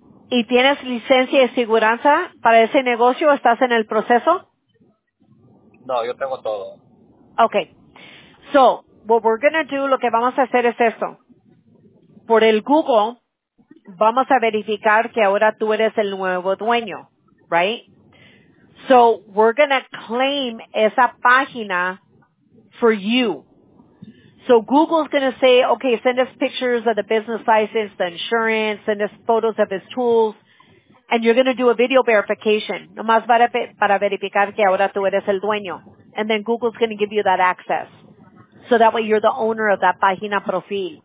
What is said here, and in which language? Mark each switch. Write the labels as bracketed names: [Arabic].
[Spanish] ¿Y tienes licencia y seguridad para ese negocio o estás en el proceso? No, yo tengo todo. Okay. [English] So, what we're going to do, [Spanish] lo que vamos a hacer es eso. Por el Google, vamos a verificar que ahora tú eres el nuevo dueño. [English] Right? So we're going to claim [Spanish] esa página [English] for you. So Google's going to say, okay, send us pictures of the business license, the insurance, send us photos of his tools. and you're going to do a video verification. [Spanish] Nomás para verificar que ahora tú eres el dueño. [English] And then Google's going to give you that access. So that way you're the owner of that página profil.